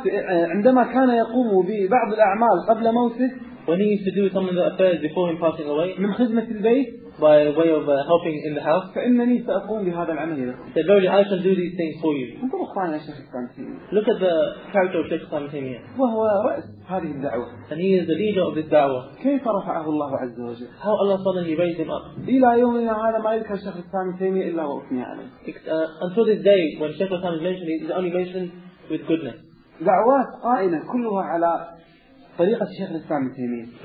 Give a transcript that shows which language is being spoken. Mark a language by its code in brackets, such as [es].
[ar] عندما كان يقوم ببعض الأعمال قبل موته. [en] When he used to do some of the affairs before him passing away. [ar] من خدمة البيت. [en] By way of helping in the house. [ar] فإنني سأقوم بهذا العمل لكم. [en] He said, "Verily, I shall do these things for you." [ar] انظر إخواني يا شيخ الإسلام. [en] Look at the character of Shaykh Islam Taymiyyah. [ar] وهو رأس هذه الدعوة. [en] And he is the leader of this da'wah. [ar] كيف رفعه الله عز وجل؟ [en] How Allah suddenly raised him up. [ar] إلى يومنا هذا ما يذكر شيخ الإسلام Taymiyyah إلا وأثني عليه. [en] Until this day, when Shaykh Islam is mentioned, he is only mentioned with goodness. [ar] دعوات قائمة كلها على طريقة الشيخ الإسلام التيمية.